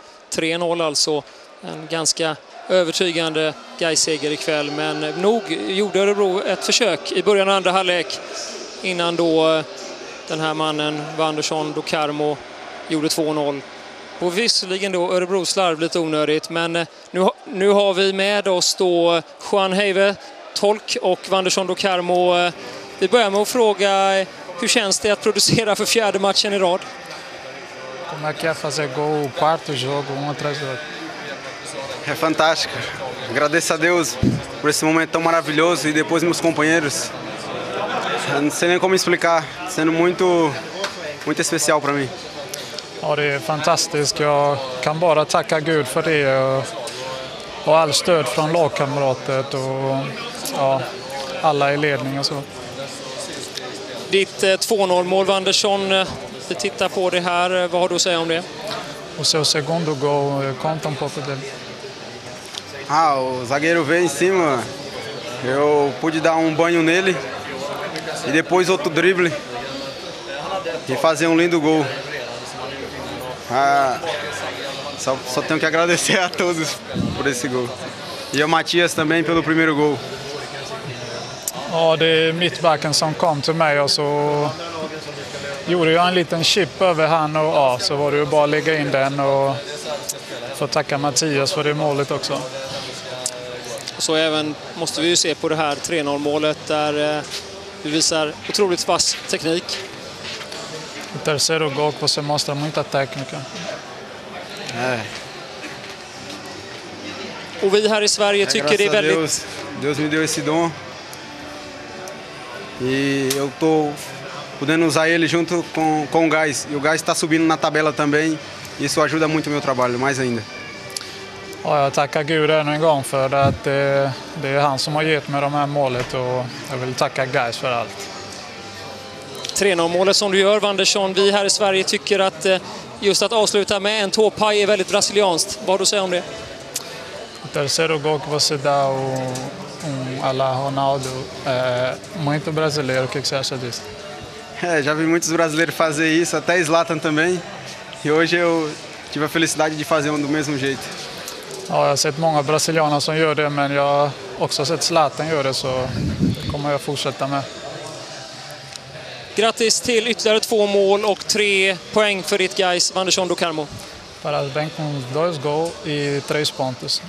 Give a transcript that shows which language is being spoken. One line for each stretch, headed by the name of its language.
Swedish: 3-0 alltså, en ganska övertygande Gais-seger ikväll, men nog gjorde Örebro ett försök i början av andra halvlek innan då den här mannen, Wanderson Dokarmo, gjorde 2-0. På visserligen då Örebro slarv lite onödigt, men nu har vi med oss då Juan Heive, tolk, och Wanderson Dokarmo. Vi börjar med att fråga, hur känns det att producera för 4:e matchen i rad?
Portuguese: Como é que é fazer gol o 4º jogo um atrás do outro? É fantástico. Agradeço a Deus por esse momento tão maravilhoso e depois meus companheiros. Não sei nem como explicar, sendo muito, muito especial para mim.
Swedish: Ja, det är fantastiskt. Jag kan bara tacka Gud för det och all stöd från lagkamratet och ja, alla i ledning och så. Ditt 2-0-mål, Wanderson, vi tittar på det här. Vad har du att säga om det?
Portuguese: O seu segundo gol, conta um pouco dele. Ah, o zagueiro veio em cima. Eu pude dar um banho nele. E depois outro drible e fazer um lindo gol. Ah, só tenho que agradecer a todos por esse gol. E o Matias também pelo primeiro gol.
Swedish: Ja, det är mittbacken som kom till mig och så gjorde jag en liten chip över han och ja, så var det ju bara att lägga in den och få tacka Matias för det målet också. Så även måste vi ju se på det här 3-0-målet där du visar otroligt fast teknik.
Portuguese: Tercero gol que você mostra muita técnica.
Swedish: Och vi här i Sverige tycker det är väldigt...
Portuguese: Deus me deu esse dom. E eu tô podendo usar ele junto com o Gais. E o Gais está subindo na tabela também. Isso ajuda muito o meu trabalho, mais ainda.
Swedish: Ja, jag tackar Gud ännu en gång för att det är han som har gett mig de här målet, och jag vill tacka Gais för allt. 3-0-målet som du gör, Wanderson, vi här i Sverige tycker att just att avsluta med en tåpaj är väldigt brasilianskt. Vad har du att säga om det?
Portuguese: Terceiro gol que você dá um alla Ronaldo, muito brasileiro, o que você acha disso? Já vi muitos brasileiros fazer isso, até Zlatan também, e hoje eu tive a felicidade de fazer do mesmo jeito.
Swedish: Ja, jag har sett många brasilianer som gör det, men jag har också sett Zlatan gör det, så det kommer jag fortsätta med. Grattis till ytterligare 2 mål och 3 poäng för ditt Gais, Wanderson Dokarmo.
Portuguese: Parabéns com 2 gols e 3 pontos.